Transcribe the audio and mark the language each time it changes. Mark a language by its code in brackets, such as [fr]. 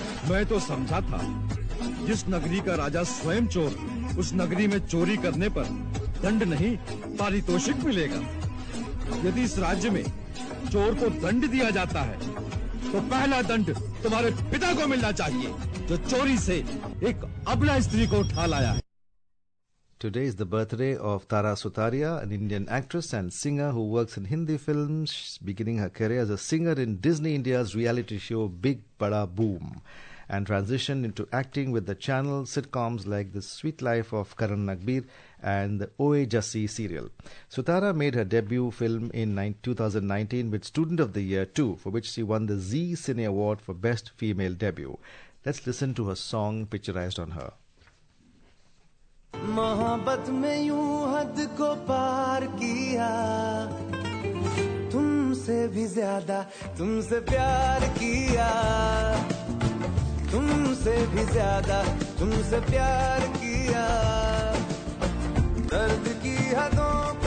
[hi] मैं तो समझा था जिस नगरी का राजा स्वयं चोर, उस नगरी में चोरी करने पर दंड नहीं पारितोषिक मिलेगा। यदि इस राज्य में चोर को दंड दिया जाता है तो पहला दंड तुम्हारे पिता को मिलना चाहिए, जो चोरी से एक अबला स्त्री को उठा लाया है। [en] Today is the birthday of Tara Sutaria, an Indian actress and singer who works in Hindi films, beginning her career as a singer in Disney India's reality show Big Bada Boom, and transitioned into acting with the channel sitcoms like The Sweet Life of Karan Nagbir and the Oye Jassi serial. Sutara made her debut film in 2019 with Student of the Year 2, for which she won the Zee Cine Award for Best Female Debut. Let's listen to her song picturized on her. [hi] मोहब्बत में यूं हद को पार किया, तुमसे भी ज्यादा तुमसे प्यार किया, तुमसे भी ज्यादा तुमसे प्यार किया, दर्द की हदों।